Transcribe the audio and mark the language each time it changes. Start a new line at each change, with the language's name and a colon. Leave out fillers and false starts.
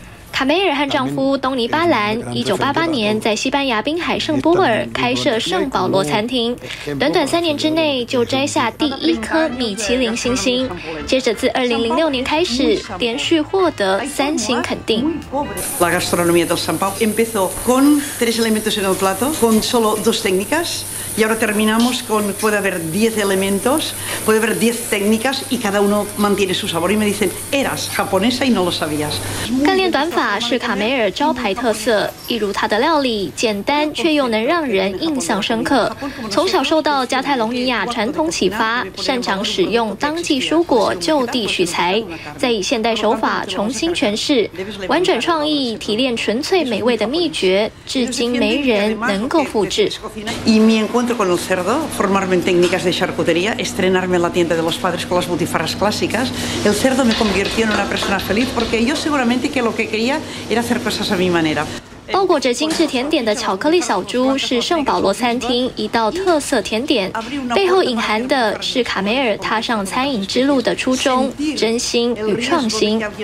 Chinese: 卡梅尔和丈夫东尼·巴兰1988年在西班牙滨海圣波尔开设圣保罗餐厅，短短3年之内就摘下第1颗米其林星星，接着自2006年开始连续获得3星肯定。
Spanish: La gastronomía de San Pablo empezó con 3 elementos en el plato, con solo 2 técnicas, y ahora terminamos con puede haber 10 elementos, puede haber 10 técnicas y cada uno mantiene su sabor. Y me dicen, eras japonesa y no lo sabías.
Chinese: 干练短法。是卡梅尔招牌特色，一如他的料理简单却又能让人印象深刻。从小受到加泰隆尼亚传统启发，擅长使用当季蔬果就地取材，再以现代手法重新诠释，婉转创意提炼纯粹美味的秘诀，至今没人能够复制。
Spanish: Y me encuentro con el cerdo, formarme en técnicas de charcutería, estrenarme en la tienda de los padres con las butifarras clásicas. El cerdo me convirtió en una persona feliz porque yo seguramente que lo que quería era hacer cosas a mi manera.
Chinese: 包裹着精致甜点的巧克力小猪是圣保罗餐厅一道特色甜点，背后隐含的是卡梅尔踏上餐饮之路的初衷、真心与创新。